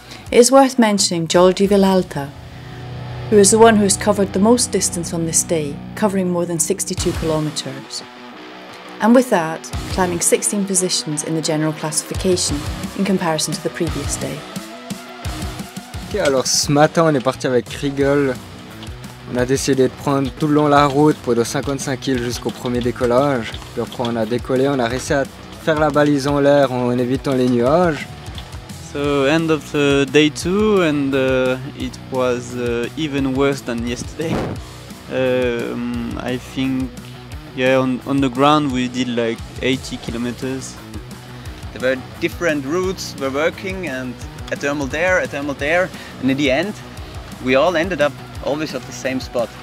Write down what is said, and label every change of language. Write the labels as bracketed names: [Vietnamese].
[English] It is worth mentioning Jordi Villalta, who is the one who has covered the most distance on this day, covering more than 62 kilometres. And with that, climbing 16 positions in the general classification in comparison to the previous day. [French] Alors ce matin on est parti avec Kriegel. On a décidé de prendre tout le long de la route pour de 55 km jusqu'au premier décollage. Puis après on a décollé, on a réussi à faire la balise en l'air en évitant les nuages. [English] So end of day 2 and it was even worse than yesterday. I think yeah on the ground we did like 80 km. There were different routes we're working and a thermal there, and in the end, we all ended up always at the same spot.